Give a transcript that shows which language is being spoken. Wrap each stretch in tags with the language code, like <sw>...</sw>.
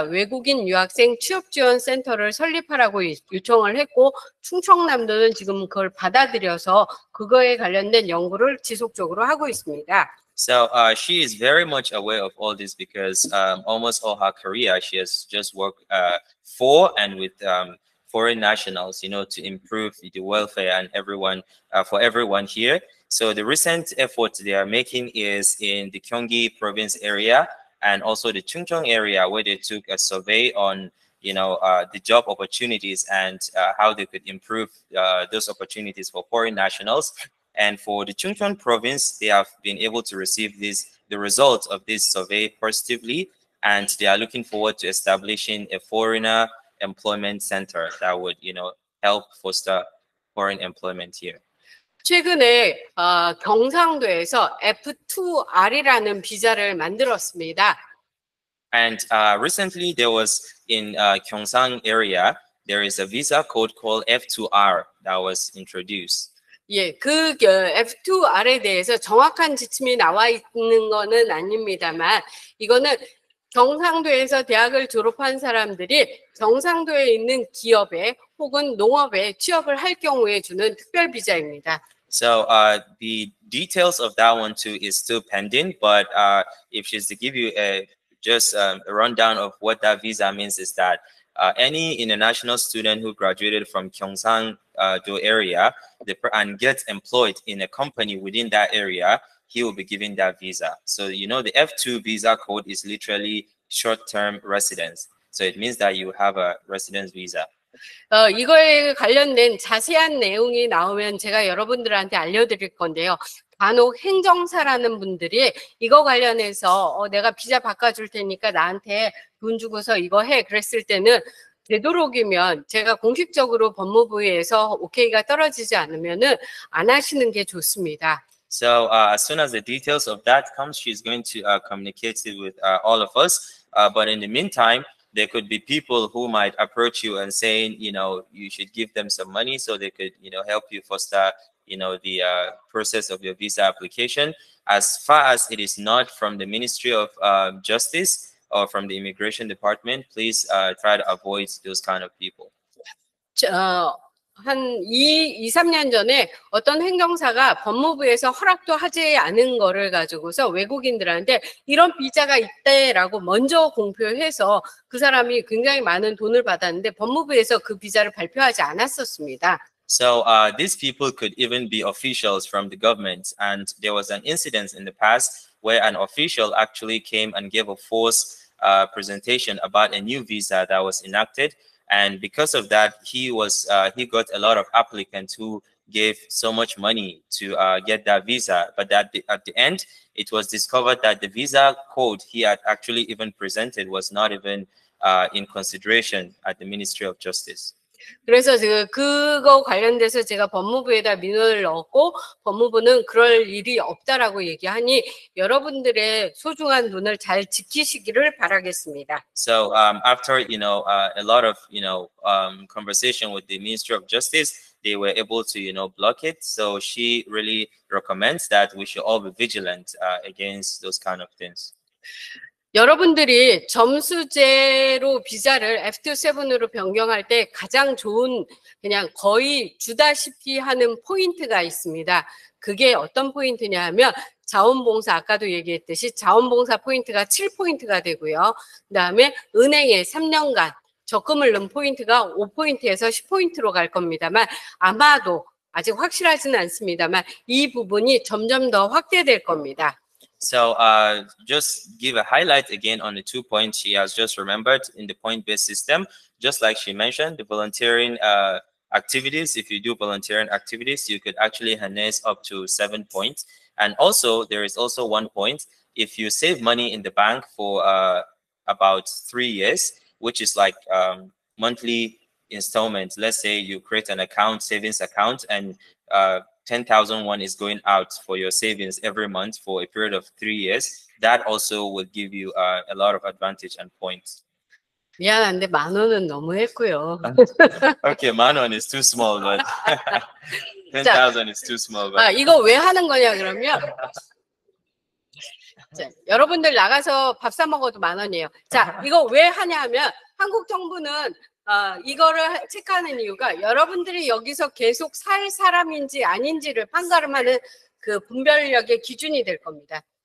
<ko>외국인 유학생 취업지원센터를 설립하라고 요청을 했고 충청남도는 지금 그걸 받아들여서 그거에 관련된 연구를 지속적으로 하고 있습니다.</ko> <en>So she is very much aware of all this because almost all her career she has just worked for and with foreign nationals, you know, to improve the welfare and everyone for everyone here. So the recent effort they are making is in the Gyeonggi province area and also the Chungcheong area, where they took a survey on, you know, the job opportunities and how they could improve those opportunities for foreign nationals. And for the Chungcheong province, they have been able to receive the results of this survey positively, and they are looking forward to establishing a foreigner employment center that would, you know, help foster foreign employment here.</en> <ko>최근에 경상도에서 F2R이라는 비자를 만들었습니다.</ko> <en>And recently there was in Gyeongsang area, there is a visa code called F2R that was introduced.</en> <ko>예, 그 F2R에 대해서 정확한 지침이 나와 있는 거는 아닙니다만 이거는 경상도에서 대학을 졸업한 사람들이 경상도에 있는 기업에 혹은 농업에 취업을 할 경우에 주는 특별 비자입니다.</ko> <en>So the details of that one too is still pending, but if she's to give you a just a rundown of what that visa means is that any international student who graduated from Gyeongsangdo area and gets employed in a company within that area, he will be given that visa. So you know the F2 visa code is literally short-term residence. So it means that you have a residence visa.</en> <ko>이거에 관련된 자세한 내용이 나오면 제가 여러분들한테 알려드릴 건데요. 간혹 행정사라는 분들이 이거 관련해서 내가 비자 바꿔줄 테니까 나한테 돈 주고서 이거 해 그랬을 때는 되도록이면 제가 공식적으로 법무부에서 오케이가 떨어지지 않으면은 안 하시는 게 좋습니다.</ko> <en>So as soon as the details of that comes, she's going to communicate it with all of us. But in the meantime, there could be people who might approach you and saying, you know, you should give them some money so they could, you know, help you foster, you know, the process of your visa application. As far as it is not from the Ministry of Justice or from the Immigration Department, please try to avoid those kind of people.</en> <ko>한 2-3년 전에 어떤 행정사가 법무부에서 허락도 하지 않은 거를 가지고서 외국인들한테 이런 비자가 있대라고 먼저 공표해서 그 사람이 굉장히 많은 돈을 받았는데 법무부에서 그 비자를 발표하지 않았었습니다.</ko> <en>So these people could even be officials from the government, and there was an incident in the past where an official actually came and gave a false presentation about a new visa that was enacted. And because of that, he got a lot of applicants who gave so much money to get that visa. But that at the end, it was discovered that the visa code he had actually even presented was not even in consideration at the Ministry of Justice.</en> <ko>그래서 그거 관련돼서 제가 법무부에다 민원을 넣었고 법무부는 그럴 일이 없다라고 얘기하니 여러분들의 소중한 돈을 잘 지키시기를 바라겠습니다.</ko> <en>So after you know a lot of you know conversation with the Ministry of Justice, they were able to you know block it. So she really recommends that we should all be vigilant against those kind of things.</en> <ko>여러분들이 점수제로 비자를 F27으로 변경할 때 가장 좋은 그냥 거의 주다시피 하는 포인트가 있습니다. 그게 어떤 포인트냐 하면 자원봉사 아까도 얘기했듯이 자원봉사 포인트가 7포인트가 되고요. 그 다음에 은행에 3년간 적금을 넣은 포인트가 5포인트에서 10포인트로 갈 겁니다만 아마도 아직 확실하지는 않습니다만 이 부분이 점점 더 확대될 겁니다.</ko> <en>So just give a highlight again on the 2 points she has just remembered in the point-based system. Just like she mentioned, the volunteering activities, if you do volunteering activities, you could actually harness up to 7 points. And also, there is also 1 point. If you save money in the bank for about 3 years, which is like monthly installment, let's say you create an account, savings account, and 10,000 won is going out for your savings every month for a period of 3 years. That also would give you a lot of advantage and points.</en> <ko>미안한데 만 원은 너무 했고요.</ko> <en>Okay, 만 원 is too small, but 10,000 is too small. But</en> <ko>아 이거 왜 하는 거냐 그러면 자 여러분들 나가서 밥 사 먹어도 만 원이에요. 자 이거 왜 하냐면 한국 정부는 이거를 체크하는 이유가 여러분들이 여기서 계속 살 사람인지 아닌지를 판가름하는 그 분별력의 기준이 될 겁니다.</ko>